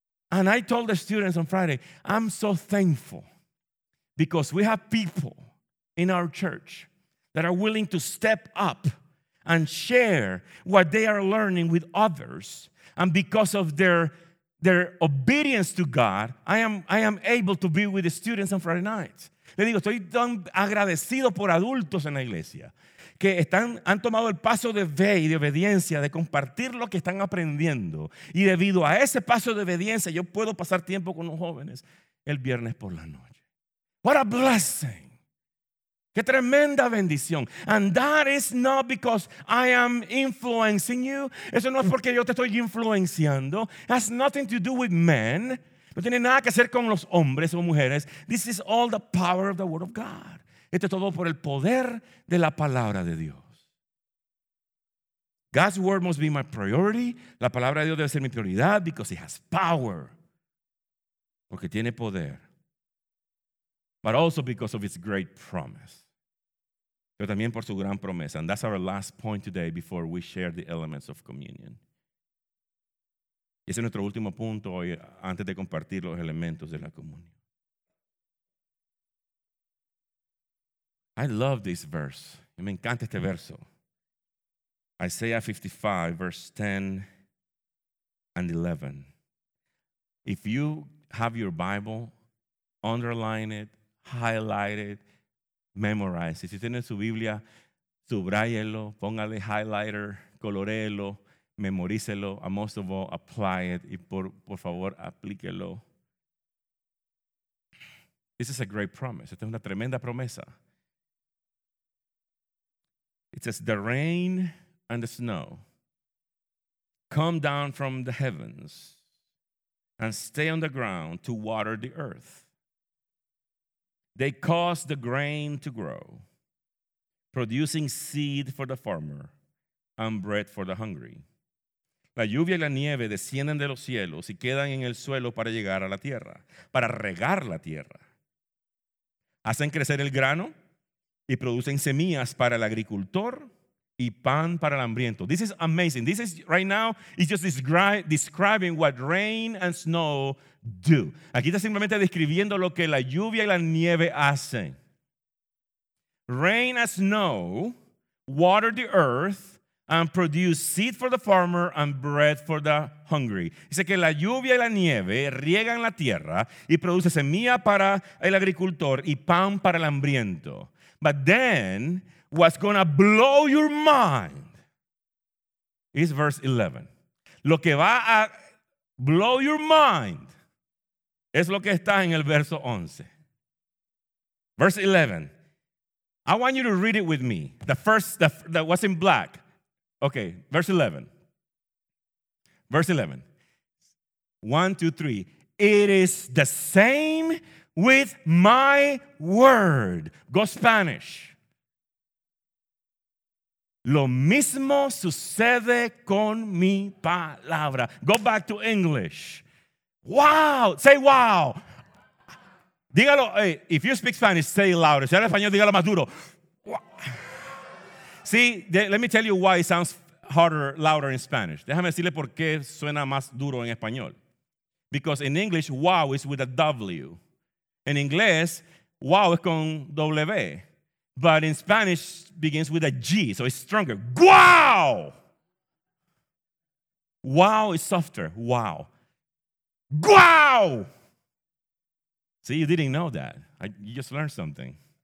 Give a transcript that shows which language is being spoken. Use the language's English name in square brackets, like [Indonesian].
[English] And I told the students on Friday, I'm so thankful because we have people in our church that are willing to step up and share what they are learning with others. And because of their obedience to God, I am able to be with the students on Friday nights. [Spanish] Le digo, estoy tan agradecido por adultos en la iglesia que han tomado el paso de fe y de obediencia, de compartir lo que están aprendiendo. Y debido a ese paso de obediencia, yo puedo pasar tiempo con los jóvenes el viernes por la noche. [English] What a blessing. [Spanish] Qué tremenda bendición. [English] And that is not because I am influencing you. [Spanish] Eso no es porque yo te estoy influenciando. [English] It has nothing to do with men. [Spanish] No tiene nada que hacer con los hombres o mujeres. [English] This is all the power of the word of God. [Spanish] Esto es todo por el poder de la palabra de Dios. [English] God's word must be my priority. [Spanish] La palabra de Dios debe ser mi prioridad [English] because it has power. [Spanish] Porque tiene poder. [English] But also because of its great promise. [Spanish] Pero también por su gran promesa. [English] And that's our last point today before we share the elements of communion. [Spanish] Y ese es nuestro último punto hoy antes de compartir los elementos de la comunión. [English] I love this verse. [Spanish] Me encanta este verso. [English] Isaiah 55, verse 10 and 11. If you have your Bible, underline it, highlight it, memorize it. [Spanish] Si tiene su Biblia, subráyelo, póngale highlighter, colorelo, memorícelo, [English] and most of all, apply it. [Spanish] Y por favor, aplíquelo. [English] This is a great promise. [Spanish] Esta es una tremenda promesa. [English] It says, the rain and the snow come down from the heavens and stay on the ground to water the earth. They cause the grain to grow, producing seed for the farmer and bread for the hungry. [Spanish] La lluvia y la nieve descienden de los cielos y quedan en el suelo para llegar a la tierra, para regar la tierra. Hacen crecer el grano. Y producen semillas para el agricultor y pan para el hambriento. [English] This is amazing. This is right now, it's just describing what rain and snow do. [Spanish] Aquí está simplemente describiendo lo que la lluvia y la nieve hacen. [English] Rain and snow water the earth and produce seed for the farmer and bread for the hungry. [Spanish] Dice que la lluvia y la nieve riegan la tierra y produce semilla para el agricultor y pan para el hambriento. [English] But then, what's going to blow your mind is verse 11. [Spanish] Lo que va a [English] blow your mind [Spanish] es lo que está en el verso 11. [English] Verse 11. I want you to read it with me. The what's in black. Okay, verse 11. Verse 11. 1, 2, 3. It is the same with my word. Go Spanish. [Spanish] Lo mismo sucede con mi palabra. [English] Go back to English. Wow. Say wow. Dígalo. Hey, if you speak Spanish, say it louder. [Spanish] Si habla español, dígalo más duro. [English] See, let me tell you why it sounds harder, louder in Spanish. [Spanish] Déjame decirle por qué suena más duro en español. [English] Because in English, wow is with a W. In English, wow is con W, but in Spanish begins with a G, so it's stronger. Wow! Wow is softer. Wow. Wow! See, you didn't know that. You just learned something.